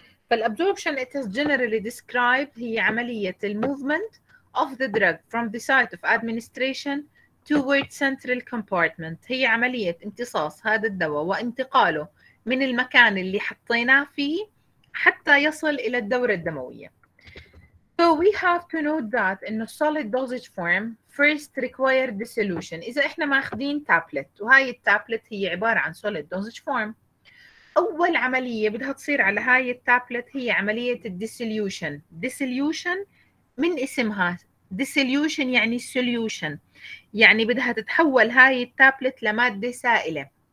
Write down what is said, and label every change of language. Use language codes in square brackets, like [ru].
[ar] فالابزوربشن [en] is generally described [ar] هي عمليه الموفمنت [en] of the drug from the site of administration towards central compartment، [ar] هي عملية امتصاص هذا الدواء وانتقاله من المكان اللي حطيناه فيه حتى يصل إلى الدورة الدموية. [en] So we have to note that in a solid dosage form first required dissolution. [ar] إذا إحنا ماخدين تابلت وهاي التابلت هي عبارة عن solid dosage form، أول عملية بدها تصير على هاي التابلت هي عملية dissolution. dissolution من اسمها dissolution يعني solution، يعني بدها تتحول هاي التابلت لمادة سائلة.